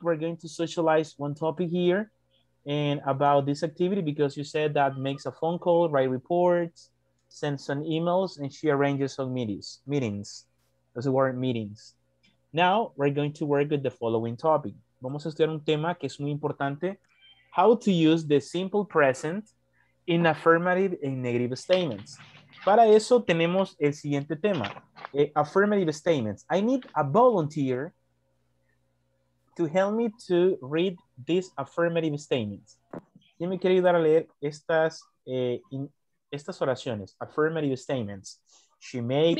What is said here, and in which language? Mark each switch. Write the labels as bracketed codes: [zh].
[en] We're going to socialize one topic here and about this activity, because you said that makes a phone call, write reports, sends some emails, and she arranges some meetings. That's the word meetings. Now, we're going to work with the following topic. [es] Vamos a estudiar un tema que es muy importante. [en] How to use the simple present in affirmative and negative statements. [es] Para eso tenemos el siguiente tema, [en] affirmative statements. I need a volunteer to help me to read these affirmative statements. [es] ¿Quién me quiere ayudar a leer estas oraciones? [en] Affirmative statements. She makes...